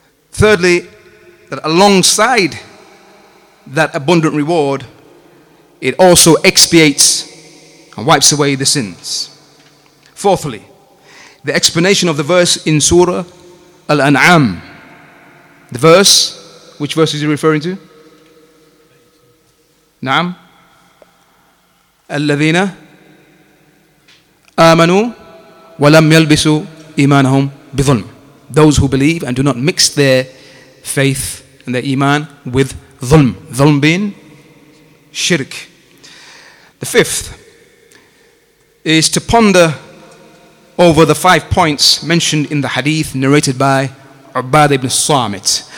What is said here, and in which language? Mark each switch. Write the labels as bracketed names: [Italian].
[English] Thirdly, that alongside that abundant reward, it also expiates and wipes away the sins. Fourthly, the explanation of the verse in Surah Al-An'am. The verse, which verse is he referring to? [Arabic] نعم الذين آمنوا ولم يلبسوا إيمانهم بظلم. [English] Those who believe and do not mix their faith and their iman with ظلم. ظلم being shirk. The fifth is to ponder over the 5 points mentioned in the hadith narrated by Ubad ibn Samit.